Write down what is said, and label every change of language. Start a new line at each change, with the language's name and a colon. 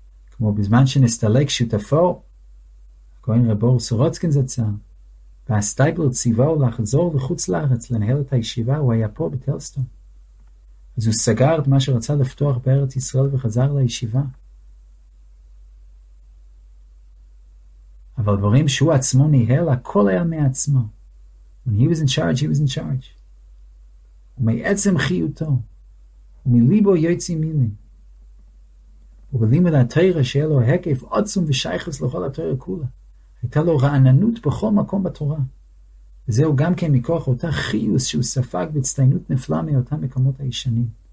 Hebrew: כמו בזמן שנסתלק שותפו, כהן רבור סורוצקין זצר, והסטייבל ציווהו לחזור לחוץ לארץ לנהל את הישיבה, הוא היה פה בטלסטון. אז הוא סגר את מה שרצה לפתוח בארץ ישראל וחזר לישיבה. אבל דברים שהוא עצמו ניהל, הכל היה מעצמו.
English: When he was in charge, he was in charge.
Hebrew: ומעצם חיותו, מליבו יוצא מילים. ובלימוד התורה שיהיה לו היקף עצום ושייכוס לכל התורה כולה. הייתה לו רעננות בכל מקום בתורה. וזהו גם כן מכוח אותה חיוס שהוא ספג בהצטיינות נפלאה מאותם מקומות הישנים.